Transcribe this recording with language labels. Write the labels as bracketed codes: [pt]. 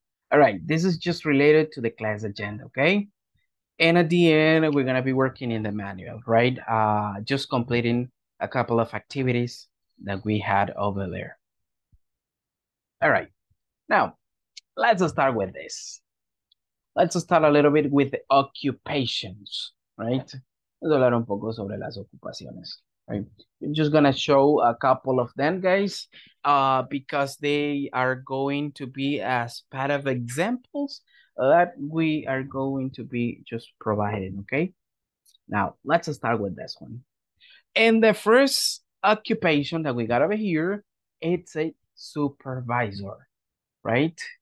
[en] All right, this is just related to the class agenda, okay? And at the end, we're gonna be working in the manual, right? Just completing a couple of activities that we had over there. All right, now let's start with this. Let's start a little bit with the occupations, right? Let's [es] hablar un poco sobre las ocupaciones, right? [en] I'm just gonna show a couple of them, guys, because they are going to be as part of examples that we are going to be just providing, okay? Now, let's start with this one. And the first occupation that we got over here, it's a supervisor, right?